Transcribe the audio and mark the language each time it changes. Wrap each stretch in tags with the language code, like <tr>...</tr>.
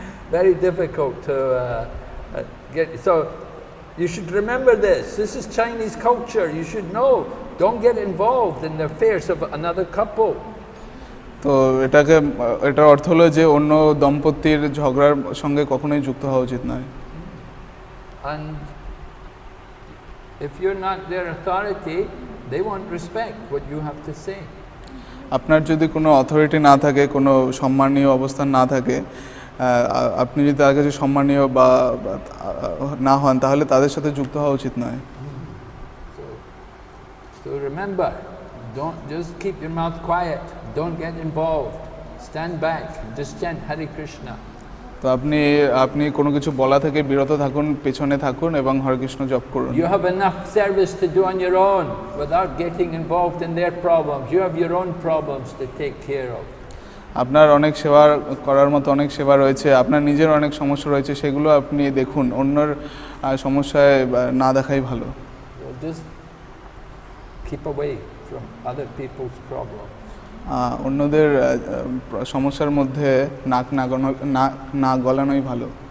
<en>Very difficult to get so you should remember this is Chinese culture you should know don't get involved in the affairs of another couple</en> <bn>তো এটাকে এটার অর্থ হলো যে অন্য দম্পতির ঝগড়ার সঙ্গে কখনোই যুক্ত হওয়া উচিত নয়।</bn> <en>And if you're not their authority, they won't respect what you have to say.</en> <bn>আপনার যদি কোনো অথরিটি না থাকে, কোনো সম্মানীয় অবস্থান না থাকে, আপনি যদি তাদের কাছে সম্মানীয় বা না হন, তাহলে তাদের সাথে যুক্ত হওয়া উচিত নয়।</bn> <en>So remember, don't just keep your mouth quiet. Don't get involved. Stand back. Just chant Hare Krishna.</en> <bn>তো আপনি আপনি কোনো কিছু বলা থেকে বিরত থাকুন, পেছনে থাকুন এবং হরে কৃষ্ণ জপ করুন।</bn> <en>You have enough service to do on your own without getting involved in their problems. You have your own problems to take care of.</en> <bn>আপনার অনেক সেবা করার মতো অনেক সেবা রয়েছে, আপনার নিজের অনেক সমস্যা রয়েছে, সেগুলো আপনি দেখুন, অন্যের সমস্যায় না দেখাই ভালো।</bn> <en>Just keep away from other people's problems.</en> <bn>অন্যদের সমস্যার মধ্যে নাক না গলানোই ভালো।</bn>